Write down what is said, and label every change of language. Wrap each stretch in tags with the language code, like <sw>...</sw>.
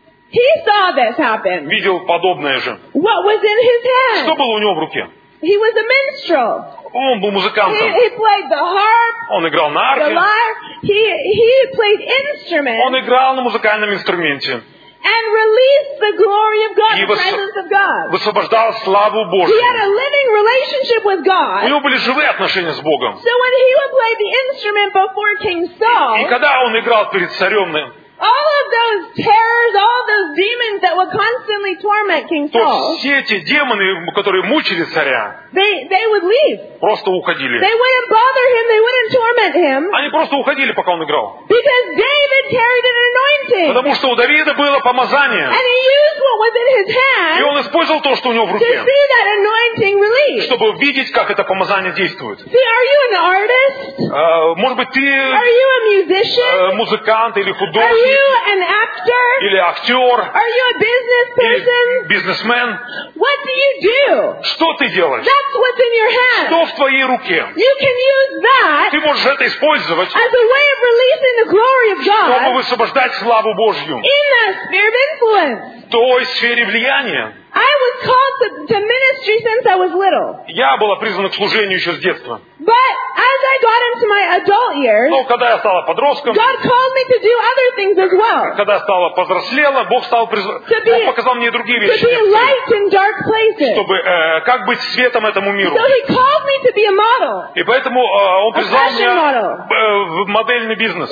<en>He saw this happen.</en> <ru>Видел подобное же.</ru> <en>What was in his hand?</en> <ru>Что было у него в руке?</ru> <en>He was a minstrel.</en> <ru>Он был музыкантом.</ru> <en>He played the harp.</en> <ru>Он играл на арфе.</ru> <en>The lyre. He played instruments.</en> <ru>Он играл на музыкальном инструменте.</ru> <en>And release the glory of God, the presence of God.</en> <ru>Высвобождал славу Божью.</ru> <en>He had a living relationship with God.</en> <ru>У него были живые отношения с Богом.</ru> <en>So when he would play the instrument before King Saul,</en> <ru>и когда он играл перед царем,</ru> <en>all of those terrors, all those demons that would constantly torment King Saul,</en> <ru>все эти демоны, которые мучили царя,</ru> <en>they would leave.</en> <ru>Просто уходили.</ru> <en>They wouldn't bother him, they wouldn't torment him.</en> <ru>Они просто уходили, пока он играл.</ru> <en>Because David carried an anointing.</en> <ru>Потому что у Давида было помазание.</ru> <en>And he used what was in his hand.</en> <ru>И он использовал то, что у него в руке.</ru> <en>To see that anointing release.</en> <ru>Чтобы видеть, как это помазание действует.</ru> <en>See, are you an artist?</en> <ru>Может быть, ты?</ru> <en>Are you a musician?</en> <ru>Музыкант или художник?</ru> <en>Are you an actor?</en> <ru>Или актер?</ru> <en>Are you a business person?</en> <ru>Бизнесмен?</ru> <en>What do you do?</en> <ru>Что ты делаешь?</ru> <en>That's what's in your hand.</en> <ru>Что в твоей руке?</ru> <en>You can use that.</en> <ru>Ты можешь это использовать.</ru> <en>As a way of releasing the glory of God.</en> <ru>Чтобы высвобождать славу Божью.</ru> <en>In that sphere of influence.</en> <ru>В той сфере влияния.</ru> <en>I was called to ministry since I was little.</en> <ru>Я была призвана к служению еще с детства.</ru> <en>But as I got into my adult years,</en> <ru>но когда я стала подростком,</ru> <en>God called me to do other things as well.</en> <ru>Когда стала повзрослела, Бог стал Бог показал мне другие вещи.</ru> <en>To be light in dark places.</en> <ru>Чтобы как быть светом этому миру.</ru> <en>So He called me to be a model.</en> <ru>И поэтому Он призвал меня в модельный бизнес.</ru>